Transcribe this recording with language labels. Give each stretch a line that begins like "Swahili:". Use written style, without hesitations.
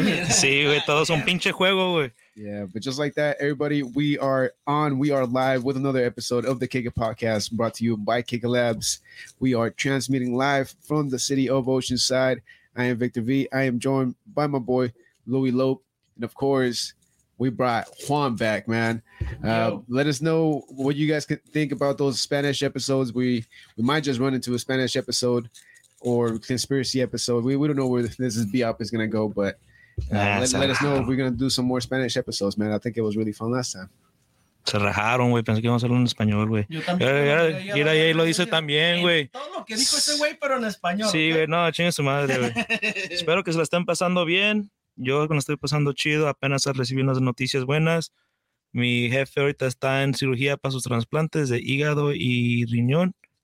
Spanish: Sí, güey, todo es un pinche juego, güey.
English: Yeah, but just like that, everybody, we are on. We are live with another episode of the Kika Podcast brought to you by Kika Labs. We are transmitting live from the city of Oceanside. I am Victor V. I am joined by my boy, Louis Lope. And of course, we brought Juan back, man. Let us know what you guys can think about those Spanish episodes. We might just run into a Spanish episode or conspiracy episode. We don't know where this BIOP is going to go, but let us know if we're going to do some more Spanish episodes, man. I think it was really fun last time.
Spanish: Se rajaron, güey. Pensé que íbamos a hacerlo en español, güey. Yo también. Mira, ahí lo dice también, güey. Todo lo que dijo ese güey, pero en español. Sí, güey. No, chingue su madre, güey. Espero que se la estén pasando bien. Yo me estoy pasando chido, apenas recibí unas noticias buenas. Mi jefe ahorita está en cirugía para sus trasplantes de hígado y riñón.